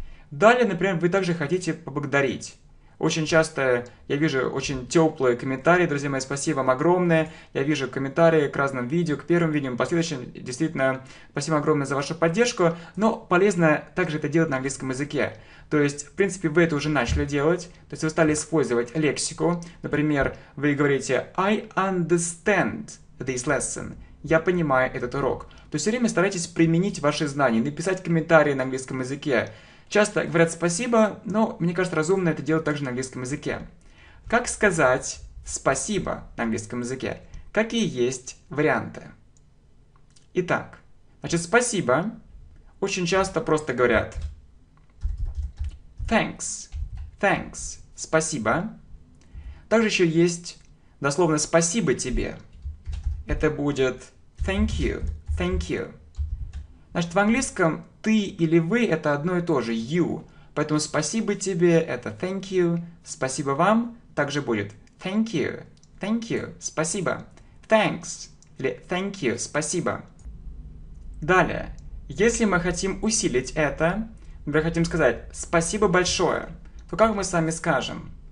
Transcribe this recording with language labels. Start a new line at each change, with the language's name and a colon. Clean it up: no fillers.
Russian: Далее, например, вы также хотите поблагодарить. Очень часто я вижу очень теплые комментарии, друзья мои, спасибо вам огромное. Я вижу комментарии к разным видео, к первым видео, к последующим. Действительно, спасибо огромное за вашу поддержку. Но полезно также это делать на английском языке. То есть, в принципе, вы это уже начали делать. То есть, вы стали использовать лексику. Например, вы говорите
English: «I understand this lesson».
Russian: «Я понимаю этот урок». То есть, все время старайтесь применить ваши знания, написать комментарии на английском языке. Часто говорят «спасибо», но мне кажется, разумно это делать также на английском языке. Как сказать «спасибо» на английском языке? Какие есть варианты? Итак, значит, «спасибо» очень часто просто говорят
English: «thanks»,
Russian: «thanks», «спасибо». Также еще есть дословно «спасибо тебе». Это будет
English: «thank you»,
Russian: «thank you». Значит, в английском «ты» или «вы» — это одно и то же, «you». Поэтому «спасибо тебе» — это
English: «thank you»,
Russian: «спасибо вам» — также будет «thank you», «thank you», «спасибо», «thanks» или «thank you», «спасибо». Далее, если мы хотим усилить это, например, хотим сказать «спасибо большое», то как мы с вами скажем?